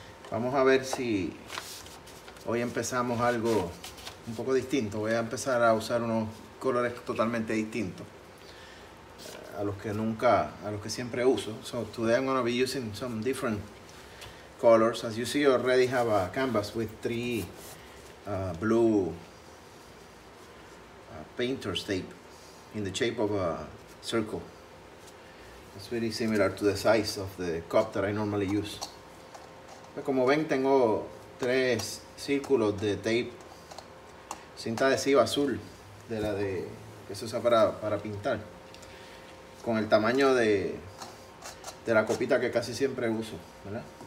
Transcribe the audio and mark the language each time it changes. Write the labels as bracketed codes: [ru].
[es] Vamos a ver si hoy empezamos algo un poco distinto. Voy a empezar a usar unos colores totalmente distintos a los que nunca, a los que siempre uso. [en] So today I'm going to be using some different colors. As you see, I already have a canvas with three blue painter's tape in the shape of a circle. It's very similar to the size of the cup that I normally use. [es] Como ven, tengo tres círculos de tape, cinta adhesiva azul, de la de que se usa para pintar, con el tamaño de la copita que casi siempre uso, ¿verdad?